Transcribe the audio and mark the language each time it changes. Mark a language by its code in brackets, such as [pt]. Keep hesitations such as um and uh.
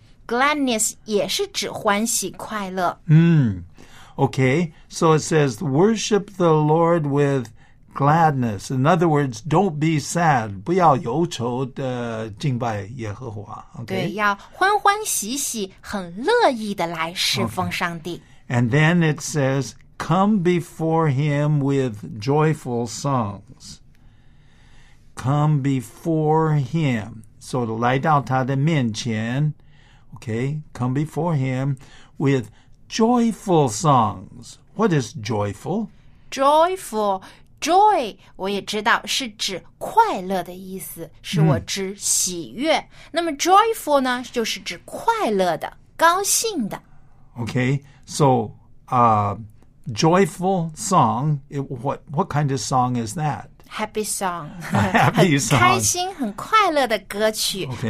[zh] ？Gladness 也是指欢喜、快乐。嗯、mm.，Okay. [en] So it says worship the Lord with gladness. In other words, don't be sad. [zh] 不要忧愁的敬拜耶和华。 Okay. 对，要欢欢喜喜、很乐意的来侍奉上帝。Okay. [en] And then it says, "Come before Him with joyful songs." come before him. So to light down to the men chin, okay, come before him with joyful songs. What is joyful? Joyful. joy. [zh] is Joy，我也知道是指快乐的意思，是我指喜悦。嗯、那么 hmm. joyful 呢，就是指快乐的、高兴的。 [en] Okay，so uh joyful song. It, what what kind of song is that? happy song， [zh] 很开心、很快乐的歌曲，<Okay.